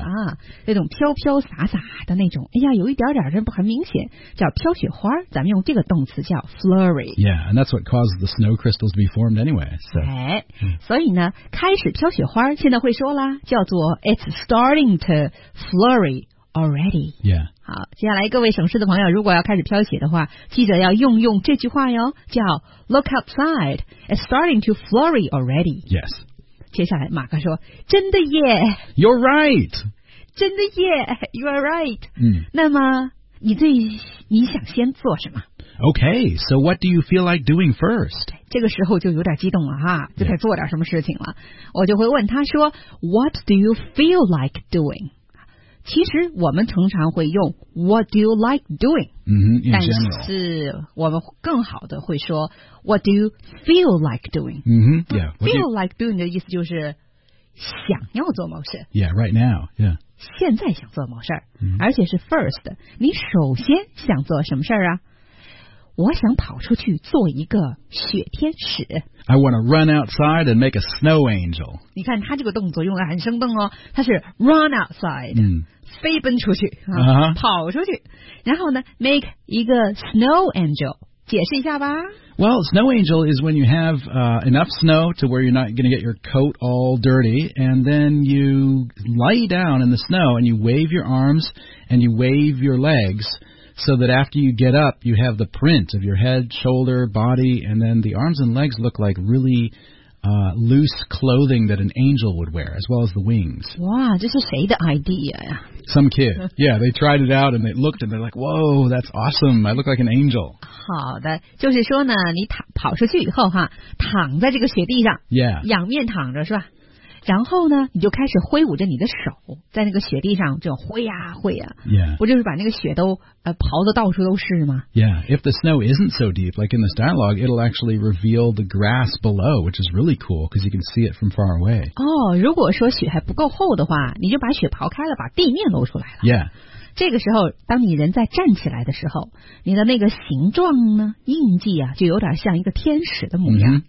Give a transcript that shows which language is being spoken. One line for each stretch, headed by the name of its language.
Chinese: 啊、那种飘飘洒洒的那种，哎呀，有一点点人不很明显，叫飘雪花，咱们用这个动词叫 flurry.
English: Yeah, and that's what causes the snow crystals to be formed anyway. So,、
Chinese: 哎、所以呢，开始飘雪花，现在会说啦，叫做 it's starting to flurry already.
English: Yeah.
Chinese: 好，接下来各位省市的朋友，如果要开始飘雪的话，记得要用用这句话哟，叫 Look outside, it's starting to flurry already.
English: Yes.
Chinese: 接下来马克说真的耶
English: You're right
Chinese: 真的耶 You're right、嗯、那么你想先做什么
English: OK, so what do you feel like doing first?
Chinese: 这个时候就有点激动了哈，就得做点什么事情了。
English: Yeah.
Chinese: 我就会问他说 , What do you feel like doing? 其实我们通常会用 What do you like doing?、
English: Mm-hmm, in
Chinese: general. 但是我们更好的会说 What do you feel like doing?、
English: Mm-hmm, yeah.
Chinese: Feel like doing 的意思就是想要做某事。
English: Yeah, right now, yeah.
Chinese: 现在想做某事儿、
English: mm-hmm.
Chinese: 而且是 first, 你首先想做什么事儿啊我想跑出去做一个雪天使。
English: I want to run outside and make a snow angel.
Chinese: 你看他这个动作用得很生动哦他是 run outside,、
English: mm.
Chinese: 飞奔出去、
English: uh-huh.
Chinese: 跑出去然后呢 make 一个 snow angel, 解释一下吧。
English: Well, snow angel is when you have、enough snow to where you're not going to get your coat all dirty, and then you lie down in the snow and you wave your arms and you wave your legs so that after you get up, you have the print of your head, shoulder, body, and then the arms and legs look like really... loose clothing that an angel would wear, as well as the wings. Wow, this is whose idea? Some kid. Yeah, they tried it out and they looked and they're like, whoa, that's awesome. I look like an angel.
Chinese: 好的，就是说呢，你跑出去以后哈，躺在这个雪地上，
English: yeah.
Chinese: 仰面躺着是吧？然后呢，你就开始挥舞着你的手，在那个雪地上就挥呀、啊、挥呀、啊，
English: yeah.
Chinese: 不就是把那个雪都刨的到处都是吗
English: ？Yeah, if the snow isn't so deep, like in this dialogue, it'll actually reveal the grass below, which is really cool because you can see it from far away.
Chinese: 哦、oh, ，如果说雪还不够厚的话，你就把雪刨开了，把地面露出来了。
English: Yeah.
Chinese: 这个时候当你人在站起来的时候你的那个形状呢印记啊就有点像一个天使的模样、